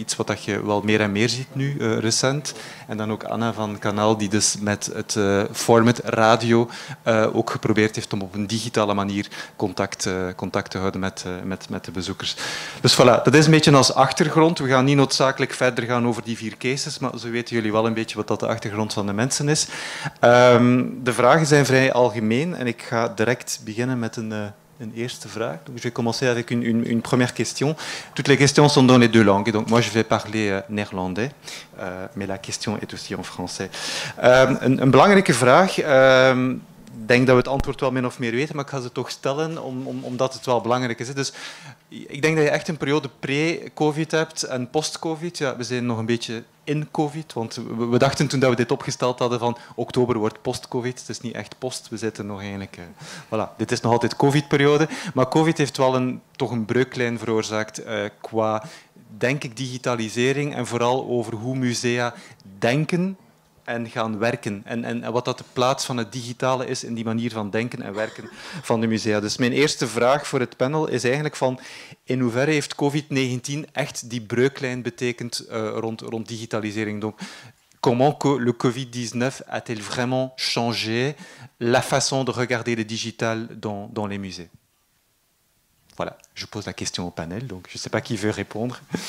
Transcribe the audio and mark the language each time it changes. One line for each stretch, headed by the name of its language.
Dutch: Iets wat dat je wel meer en meer ziet nu, recent. En dan ook Anna van Kanaal, die dus met het format radio ook geprobeerd heeft om op een digitale manier contact te houden met de bezoekers. Dus voilà, dat is een beetje als achtergrond. We gaan niet noodzakelijk verder gaan over die vier cases, maar zo weten jullie wel een beetje wat dat de achtergrond van de mensen is. De vragen zijn vrij algemeen en ik ga direct beginnen met
French: Une première question. Donc, je vais commencer avec une première question. Toutes les questions sont dans les deux langues. Donc, moi, je vais parler néerlandais, mais la question est aussi en français.
Dutch: Une belangrijke vraag. Ik denk dat we het antwoord wel min of meer weten, maar ik ga ze toch stellen, omdat het wel belangrijk is. Dus ik denk dat je echt een periode pre-COVID hebt en post-COVID. Ja, we zijn nog een beetje in COVID, want we dachten toen dat we dit opgesteld hadden van oktober wordt post-COVID. Het is niet echt post, we zitten nog eigenlijk... dit is nog altijd COVID-periode. Maar COVID heeft wel toch een breuklijn veroorzaakt qua, denk ik, digitalisering en vooral over hoe musea denken en gaan werken. En wat dat de plaats van het digitale is in die manier van denken en werken van de musea. Dus mijn eerste vraag voor het panel is eigenlijk van in hoeverre heeft COVID-19 echt die breuklijn betekend rond digitalisering?
French: Donc, comment le COVID-19 a-t-il vraiment changé la façon de regarder le digital dans les musées? Voilà, je pose la question au panel, donc je ne sais pas qui veut répondre.